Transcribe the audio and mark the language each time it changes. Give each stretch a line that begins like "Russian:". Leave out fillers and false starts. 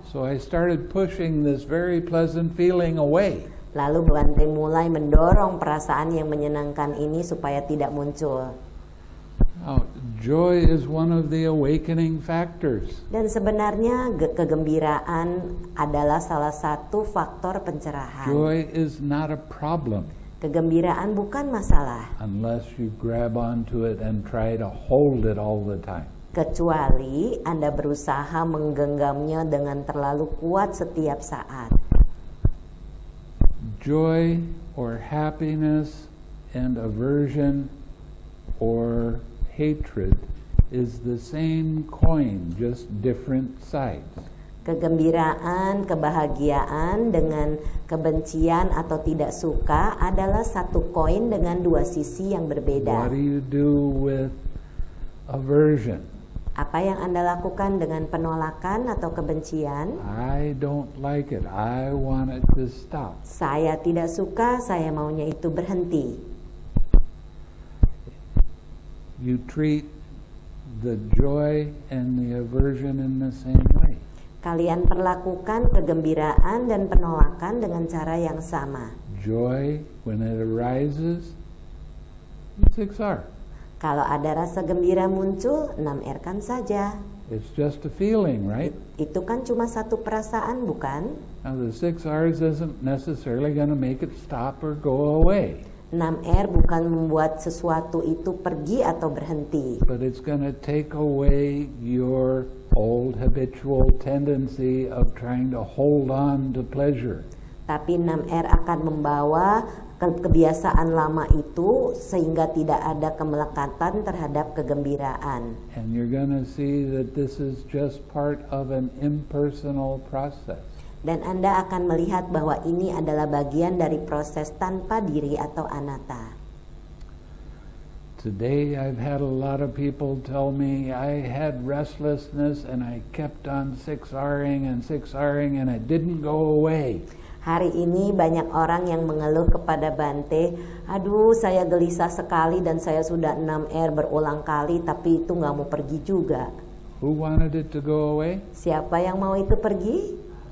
English: So I started pushing this very pleasant feeling away.
Indonesian: Lalu Bante mulai mendorong perasaan yang menyenangkan ini supaya tidak muncul.
English: Now, joy is one of the awakening factors.
Indonesian: Dan sebenarnya kegembiraan adalah salah satu faktor pencerahan.
English: Joy is not a problem.
Indonesian: Kegembiraan bukan masalah.
English: Unless you grab onto it and try to hold it all the time.
Indonesian: Kecuali Anda berusaha menggenggamnya dengan terlalu kuat setiap saat.
English: Joy or happiness and aversion or hatred is the same coin, just different sides.
Indonesian: Kegembiraan, kebahagiaan dengan kebencian atau tidak suka adalah satu koin dengan dua sisi yang berbeda.
English: What do you do with aversion?
Indonesian: Apa yang Anda lakukan dengan penolakan atau kebencian?
English: I don't like it. I want it to stop.
Indonesian: Saya tidak suka, saya maunya itu berhenti.
English: You treat the joy and the aversion in the same way.
Indonesian: Kalian perlakukan kegembiraan dan penolakan dengan cara yang sama.
English: Joy, when it arises, 6R.
Indonesian: Kalau ada rasa gembira muncul, 6R kan saja.
English: It's just a feeling, right?
Indonesian: Itu kan cuma satu perasaan, bukan?
English: Now the 6Rs isn't necessarily going to make it stop or go away.
Indonesian: 6R bukan membuat sesuatu itu pergi atau berhenti.
English: But it's going to take away your old habitual tendency of trying to hold on to pleasure.
Indonesian: Tapi 6R akan membawa kebiasaan lama itu sehingga tidak ada kemelekatan terhadap kegembiraan.
English: And you're going to see that this is just part of an impersonal process.
Indonesian: Dan Anda akan melihat bahwa ini adalah bagian dari proses tanpa diri atau anatta.
English: Today I've had a lot of people tell me I had restlessness and I kept on 6R-ing and it didn't go away.
Indonesian: Hari ini banyak orang yang mengeluh kepada Bante, aduh saya gelisah sekali dan saya sudah 6R berulang kali tapi itu gak mau pergi juga.
English: Who wanted it to go away?
Indonesian: Siapa yang mau itu pergi?